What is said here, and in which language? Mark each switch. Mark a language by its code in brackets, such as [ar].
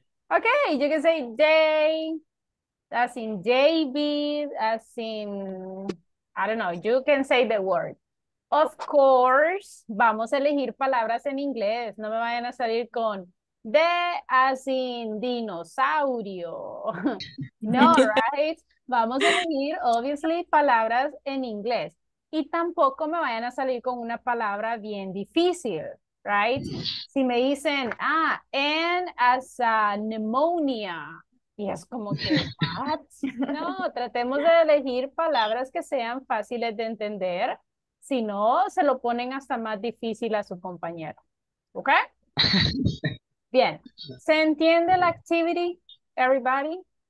[en] Okay, you can say day, as in David, as in... I don't know, you can say the word. Of course, [es] vamos a elegir palabras en inglés. No me vayan a salir con de as in dinosaurio. No, [en] right? [es] Vamos a elegir, [en] obviously, [es] palabras en inglés. Y tampoco me vayan a salir con una palabra bien difícil, [en] right? [es] Si me dicen, ah, [en] and as a pneumonia. [es] Y es como que, [en] what? [es] No, tratemos de elegir palabras que sean fáciles de entender. Si no, se lo ponen hasta más difícil a su compañero. ¿Ok? Bien. ¿Se entiende la activity, [en] everybody?